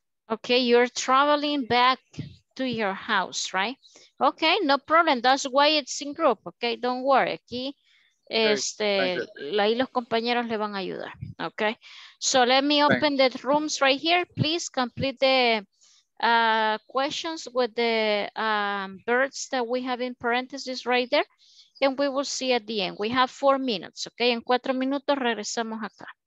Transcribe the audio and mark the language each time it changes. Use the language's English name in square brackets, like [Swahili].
[English] Okay, you're traveling back to your house, right? Okay, no problem. That's why it's in group, okay? Don't worry. [Spanish] Aquí, este, ahí los compañeros le van a ayudar, okay? [English] So let me open the rooms right here. Please complete the questions with the birds that we have in parentheses right there, and we will see at the end. We have 4 minutes, okay? [Spanish] En 4 minutos regresamos acá.